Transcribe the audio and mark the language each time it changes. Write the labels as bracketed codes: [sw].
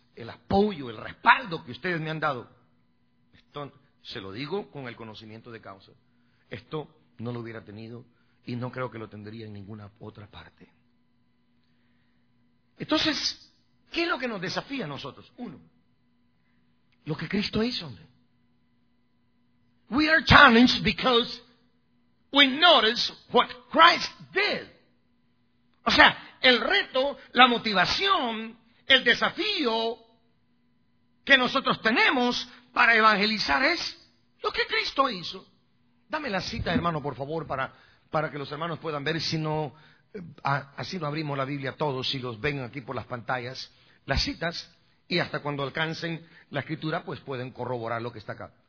[es] el apoyo, el respaldo que ustedes me han dado. Esto se lo digo con el conocimiento de causa. Esto no lo hubiera tenido y no creo que lo tendría en ninguna otra parte. Entonces, ¿qué es lo que nos desafía a nosotros? Uno, lo que Cristo hizo, hombre. [en] We are challenged because we notice what Christ did. [es] O sea, el reto, la motivación, el desafío que nosotros tenemos para evangelizar es lo que Cristo hizo. Dame la cita, hermano, por favor, para que los hermanos puedan ver, si no, así no abrimos la Biblia a todos, si los ven aquí por las pantallas, las citas, y hasta cuando alcancen la Escritura, pues pueden corroborar lo que está acá.